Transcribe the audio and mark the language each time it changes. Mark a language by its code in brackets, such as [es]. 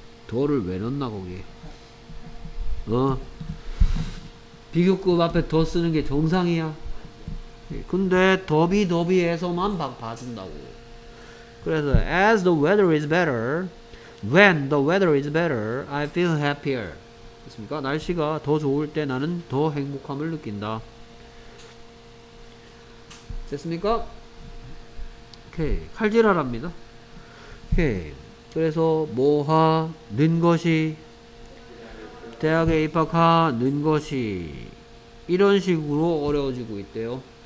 [ko] 너를 왜 넣나 거기에? 어? 비교급 앞에 더 쓰는 게 정상이야? 근데 더비더비에서만 봐준다고. 그래서 [en] as the weather is better, when the weather is better, I feel happier. [ko] 됐습니까? 날씨가 더 좋을 때 나는 더 행복함을 느낀다. 됐습니까? 오케이. 칼질하랍니다. 오케이. 그래서 뭐하 는 것이, 대학에 입학하 는 것이, 이런 식으로 어려워지고 있대요.